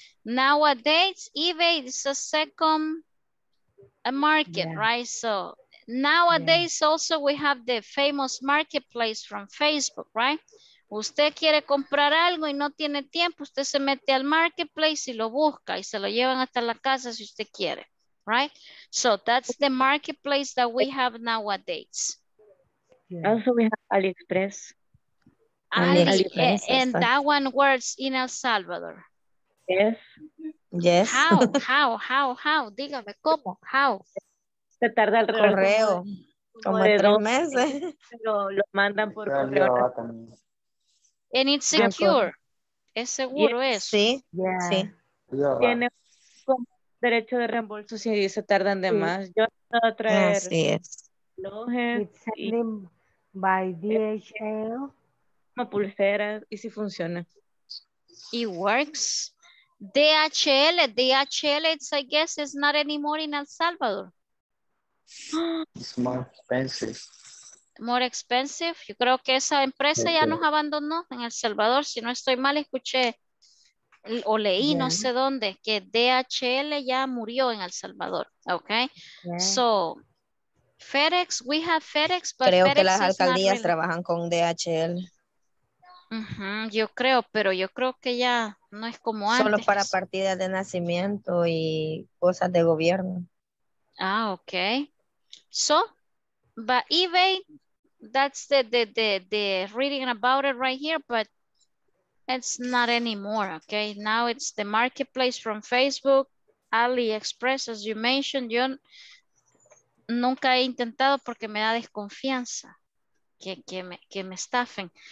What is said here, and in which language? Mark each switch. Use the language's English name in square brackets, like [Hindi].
[English] Nowadays, eBay is a second market, yeah, right? So nowadays, yeah, also we have the famous marketplace from Facebook, right? [Spanish] Usted quiere comprar algo y no tiene tiempo, usted se mete al marketplace y lo busca y se lo llevan hasta la casa si usted quiere. [English] Right, so that's the marketplace that we have nowadays. Also, we have AliExpress. AliExpress, and that one works in El Salvador. Yes. Yes. How? [Spanish] Dígame cómo. [English] How? [Spanish] Se tarda el correo. Como de 3 meses. Lo mandan por correo. [English] And it's secure. [Spanish] Es seguro, [English] yes. Eso. [Spanish] Sí. Yeah. Sí. Tiene derecho de reembolso si se tardan de más. Yo no traer. Así es. [English] It's sending by DHL. [Spanish] Como pulseras, y si funciona. [English] It works. DHL, it's, I guess, it's not anymore in El Salvador. It's more expensive. More expensive. [Spanish] Yo creo que esa empresa ya nos abandonó en El Salvador. Si no estoy mal, escuché o leí, yeah, no sé dónde, que DHL ya murió en El Salvador, okay? [English] Yeah. So, FedEx, we have FedEx, but [Spanish] creo [English] FedEx [Spanish] que las alcaldías really trabajan con DHL. Uh-huh, yo creo, pero yo creo que ya no es como solo antes. Solo para partidas de nacimiento y cosas de gobierno. [English] Ah, okay. So, but eBay, that's the reading about it right here, but it's not anymore, okay? Now it's the marketplace from Facebook, AliExpress, as you mentioned. [Spanish] Yo nunca he intentado porque me da desconfianza que me estafen.